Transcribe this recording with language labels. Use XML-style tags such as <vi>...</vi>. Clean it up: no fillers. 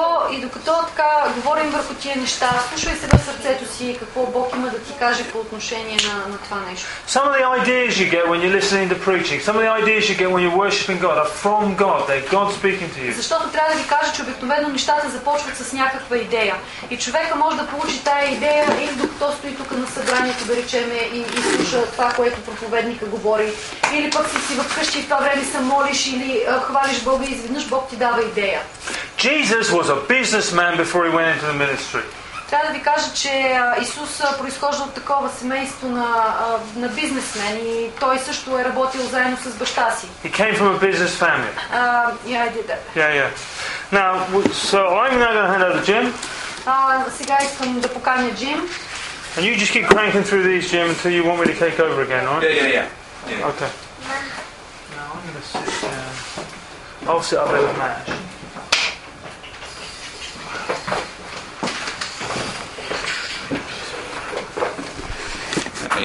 <bg>И докато така говорим върху тия неща, слушай се в сърцето си какво Бог има да ти каже по отношение на това нещо.</bg> <en>Some of the ideas you get when you're listening to preaching, some of the ideas you get when you're worshiping God are from God. They're God speaking to you.</en> <bg>Защото трябва да ви кажа, че обикновено нещата започват с някаква идея. И човека може да получи тая идея и докато стои тук на събранието, да речеме, и слуша това, което проповедника говори. Или пък си вкъщи и в това време се молиш или хвалиш Бога и изведнъж Бог ти дава идея.</bg> <en>Jesus was a businessman before he went into the ministry.</en> <bg>Трябва да ви кажа, че Исус произхожда от такова семейство на бизнесмен и той също е работил заедно с баща си.</bg> <en>He came from a business family. Yeah, I did that. Yeah. Now, so I'm now going to hand over to Jim.</en> <bg>Сега искам да поканя Джим.</bg> <en>And you just keep cranking through these, Jim, until you want me to take over again, right? Yeah. Okay. Now I'm going to sit down. I'll sit up there with Matt.</en>